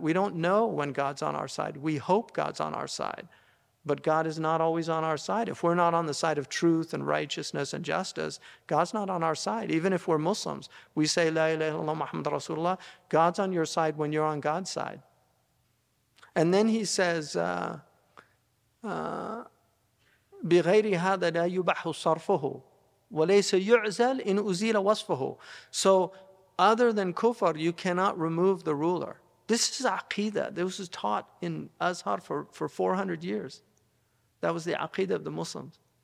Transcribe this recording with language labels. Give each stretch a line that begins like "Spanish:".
English: We don't know when God's on our side. We hope God's on our side. But God is not always on our side. If we're not on the side of truth and righteousness and justice, God's not on our side. Even if we're Muslims, we say,
Arabic: La ilaha illallah Muhammad Rasulullah.
English: God's on your side when you're on God's side. And then he says,
Arabic: بِغَيْرِ هَذَا لَا يُبَحُ صَرْفُهُ. وَلَيْسَ يُعْزَلْ إِنْ أُزِيلَ وَصْفَهُ.
English: So other than kufr, you cannot remove the ruler. This is aqidah. This was taught in Azhar for 400 years. That was the aqidah of the Muslims.